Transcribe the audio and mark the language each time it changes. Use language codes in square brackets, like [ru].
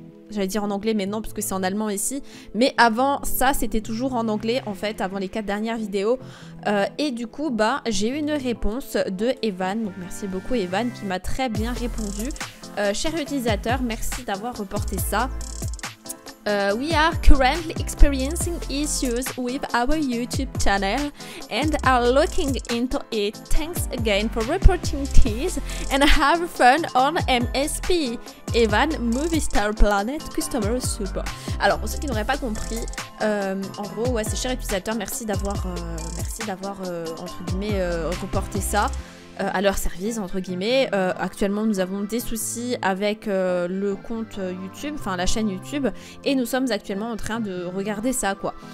[fr] J'allais dire en anglais, mais non, puisque c'est en allemand ici. Mais avant ça, c'était toujours en anglais, en fait, avant les 4 dernières vidéos. Et du coup, bah, j'ai eu une réponse de Evan. Donc, merci beaucoup, Evan, qui m'a très bien répondu. Cher utilisateur, merci d'avoir reporté ça. [en] We are currently experiencing issues with our YouTube channel and are looking into it. Thanks again for reporting this and have fun on MSP. Evan, Movistar Planet Customer Support. [fr] Alors, pour ceux qui n'auraient pas compris, en gros, ouais, c'est cher utilisateur, merci d'avoir entre guillemets, reporté ça. À leur service, entre guillemets. Actuellement, nous avons des soucis avec le compte YouTube, enfin la chaîne YouTube, et nous sommes actuellement en train de regarder ça, quoi.